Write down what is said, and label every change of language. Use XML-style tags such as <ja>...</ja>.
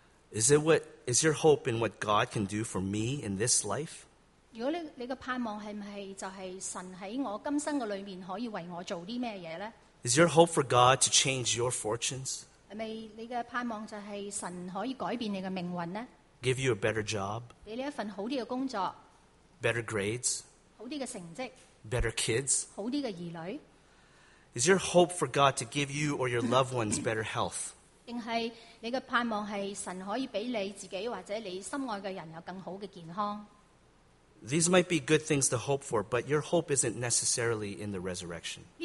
<en>Is your hope in what God can do for me in this life? Is your hope for God to change your fortunes?</en> <zh>是不是你的盼望就是神可以改变你的命运呢?</zh> <en>Give you a better job.</en> <zh>给你一份好些的工作,</zh> <en>better grades.</en> <zh>好些的成绩,</zh> <en>better kids.</en> <zh>好些的儿女,</zh> <en>is your hope for God to give you or your loved ones better health?</en> <zh>还是你的盼望是神可以给你自己或者你心爱的人有更好的健康?</zh> <en>These might be good things to hope for, but your hope isn't necessarily in the resurrection.</en>